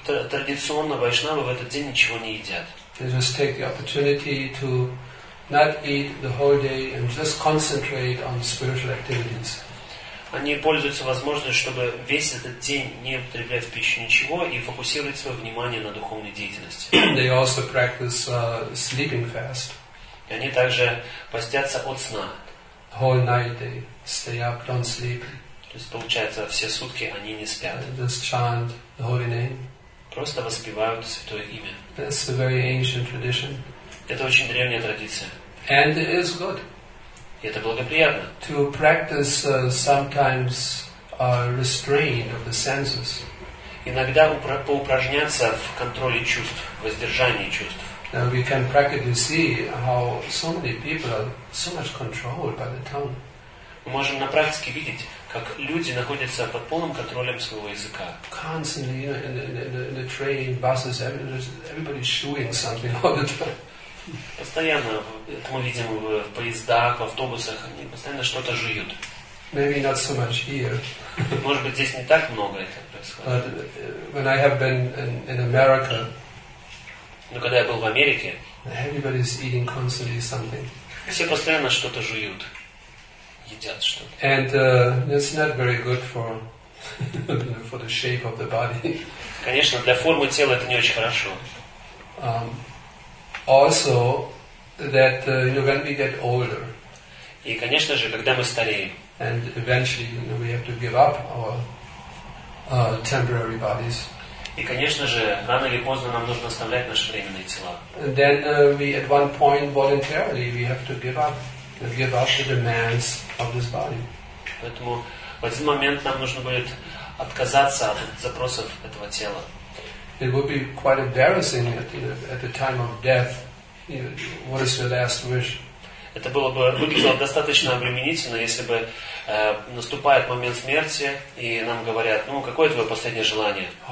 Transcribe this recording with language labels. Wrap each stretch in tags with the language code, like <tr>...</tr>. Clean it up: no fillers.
<ru>Традиционно вайшнавы в этот день ничего не едят.</ru> <en>They just take the opportunity to not eat the whole day and just concentrate on spiritual activities.</en> <ru>Они пользуются возможностью, чтобы весь этот день не употреблять пищу ничего и фокусировать свое внимание на духовной деятельности.</ru> <en>They also practice sleeping fast.</en> <ru>И они также постятся от сна.</ru> <en>Whole night they stay up, don't sleep.</en> <ru>То есть получается, все сутки они не спят.</ru> <en>Just chant the holy name.</en> <ru>Просто воспевают святое имя.</ru> <en>That's a very ancient tradition.</en> <ru>Это очень древняя традиция.</ru> <en>And it is good.</en> <ru>И это благоприятно.</ru> <en>To practice sometimes restraint of the senses.</en> <ru>Иногда поупражняться в контроле чувств, воздержании чувств.</ru> <en>Now we can practically see how so many people are so much controlled by the tongue.</en> <ru>Мы можем на практике видеть, как люди находятся под полным контролем своего языка.</ru> <en>Constantly in the train, buses, everybody's chewing something all the time.</en> <ru>Постоянно, это мы видим в поездах, в автобусах, они постоянно что-то жуют.</ru> <en>Maybe not so much here.</en> <ru>Может быть, здесь не так много это происходит.</ru> <en>When I have been in America,</en> <ru>но когда я был в Америке,</ru> <en>everybody's eating constantly something.</en> <ru>Все постоянно что-то жуют, едят что-то.</ru> <en>And it's not very good for the shape of the body.</en> <ru>Конечно, для формы тела это не очень хорошо.</ru> <en>Also, that when we get older,</en> <ru>и, конечно же, когда мы стареем,</ru> <en>and eventually we have to give up our temporary bodies,</en> <ru>и, конечно же, рано или поздно нам нужно оставлять наши временные тела.</ru> <en>Then we, at one point, voluntarily, we have to give up the demands of this body.</en> <ru>Поэтому в один момент нам нужно будет отказаться от запросов этого тела.</ru> <en>It would be quite embarrassing at the time of death. What is your last wish?</en> <ru>Это было бы выглядело достаточно обременительно, если бы наступает момент смерти и нам говорят: ну какое твое последнее желание?</ru>